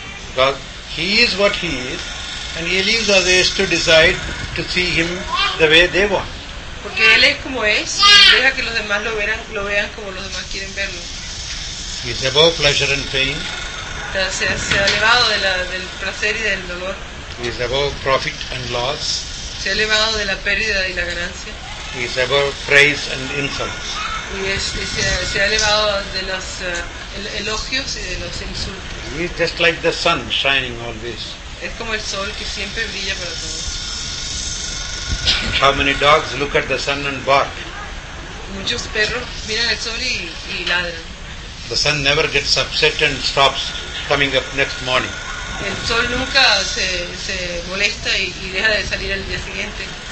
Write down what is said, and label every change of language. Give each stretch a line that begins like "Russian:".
English: Because he is what he is, and he leaves others to decide to see him the way they want.
Spanish: Porque él es como es, deja que los demás lo vean como los demás quieren verlo.
English: He is above pleasure and pain.
Spanish: Se ha elevado del placer y del dolor.
English: He is above profit and loss.
Spanish: Se ha elevado de la pérdida y la ganancia.
English: He is above praise and insults.
Spanish: Y se ha elevado de los elogios y de los insultos.
English: He is just like the sun shining always.
Spanish: Es como el sol que siempre brilla para todos.
English: How many dogs look at the sun and bark?
Spanish: Muchos perros miran el sol y ladran.
English: The sun never gets upset and stops coming up next morning.
Spanish: El sol nunca se molesta y deja de salir al día siguiente.